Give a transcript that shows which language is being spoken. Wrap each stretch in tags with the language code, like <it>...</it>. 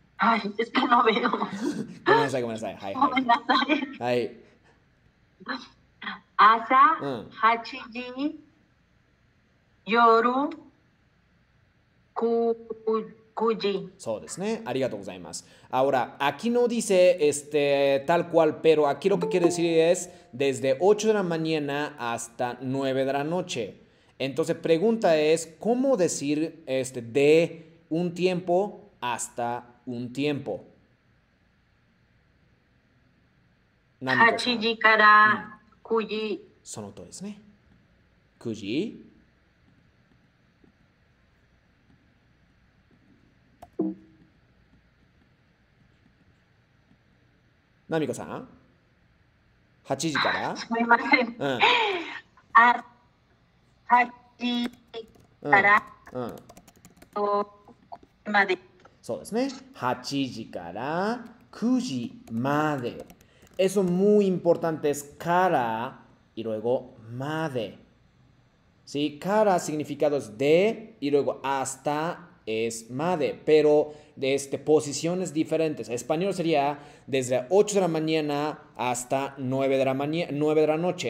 <es>ay, es que no veo,</es> <ja>ごめんなさい、ごめんなさい。はいごめんなさい、はい。朝はい。うん。 8時、夜9時。そうですね。ありがとうございます。</ja> <es>Ahora, aquí no dice tal cual, pero aquí lo que quiere decir es desde 8 de la mañana hasta 9 de la noche. Entonces, pregunta es, ¿cómo decir de un tiempo hasta un tiempo? 8</es> <ja>Namiko-san. 時から9時。その通りですね。9時。ナミコさん、8時から、すみません。8から9まで。そうですね、8時から9時まで。</ja> <es>Eso muy importante es から y luego まで。 Sí, から significado es de y luego hasta es madre, pero de posiciones diferentes. Español sería desde 8 de la mañana hasta 9 de la mañana, 9 de la noche.</es>